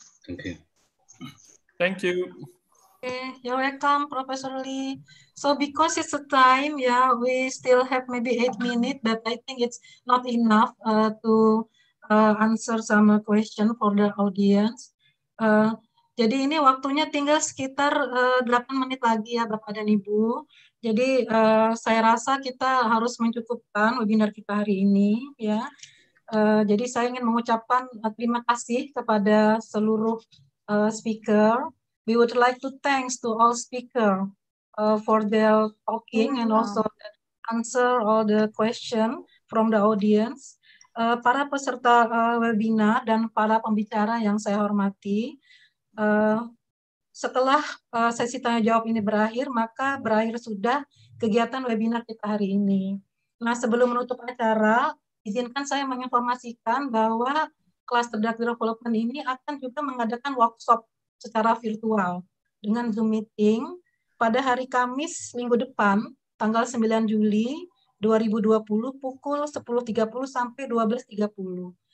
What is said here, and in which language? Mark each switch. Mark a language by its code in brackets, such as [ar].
[en] Okay. Thank you. Okay, you're welcome, Professor Lee. So because it's a time, we still have maybe 8 minutes, but I think it's not enough answer some question for the audience. [id] Jadi ini waktunya tinggal sekitar 8 menit lagi ya Bapak dan Ibu. Jadi saya rasa kita harus mencukupkan webinar kita hari ini ya. Jadi saya ingin mengucapkan terima kasih kepada seluruh speaker. [en] We would like to thanks to all speaker for their talking and also answer all the question from the audience. [id] Para peserta webinar dan para pembicara yang saya hormati, setelah sesi tanya jawab ini berakhir, maka berakhir sudah kegiatan webinar kita hari ini. Nah, sebelum menutup acara, izinkan saya menginformasikan bahwa kelas Cerdas Development ini akan juga mengadakan workshop secara virtual dengan Zoom meeting pada hari Kamis minggu depan, tanggal 9 Juli 2020, pukul 10.30 sampai 12.30.